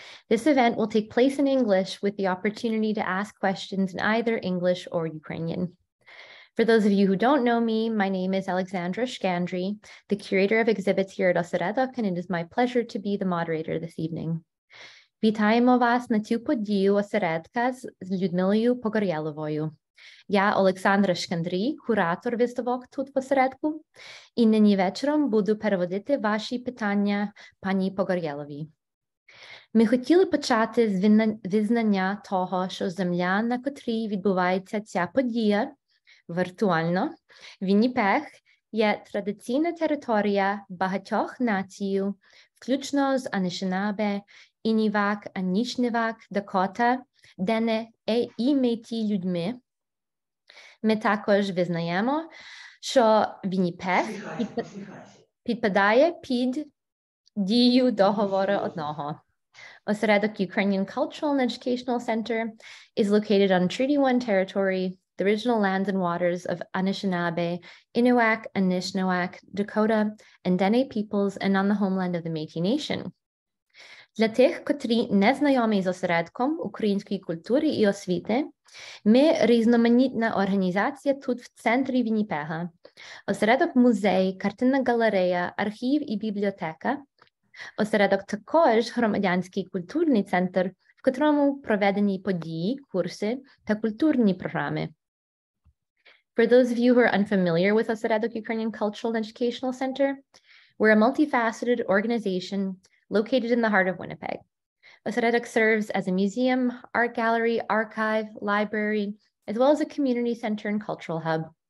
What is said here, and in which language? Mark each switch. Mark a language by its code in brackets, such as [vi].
[en] This event will take place in English with the opportunity to ask questions in either English or Ukrainian. For those of you who don't know me, my name is Alexandra Shkandry, the curator of exhibits here at Osredok, and it is my pleasure to be the moderator this evening. [uk] Вітаємо вас на цю подію осередка з Людмилою Погорєловою. Я Олександра Шкандрій, куратор виставок тут в осередку, і нині вечором буду переводити ваші питання пані Погорєловій. Ми хотіли почати з визнання того, що земля, на котрій відбувається ця подія, віртуально, Вінніпег, є традиційна територія багатьох націй, включно з Анішинабе, Інівак, Анішнівак, Дакота, Дене і Меті людьми. Ми також визнаємо, що Вінніпег підпадає під дію договору одного. [en] Osredok Ukrainian Cultural and Educational Center is located on Treaty 1 territory, the original lands and waters of Anishinaabe, Inuak, Anishinaabe, Dakota, and Dene peoples, and on the homeland of the Métis Nation. [uk] Для тих, котрі не знайомі з осередком української культури і освіти, ми різноманітна організація тут в центрі Вінніпега. Осередок музей, картинна галерея, архів і бібліотека. Осередок також громадянський культурний центр, в котрому проведені події, курси та культурні програми. [en] For those of you who are unfamiliar with Osredok Ukrainian Cultural and Educational Center, we're a multifaceted organization located in the heart of Winnipeg. Osredok serves as a museum, art gallery, archive, library, as well as a community center and cultural hub.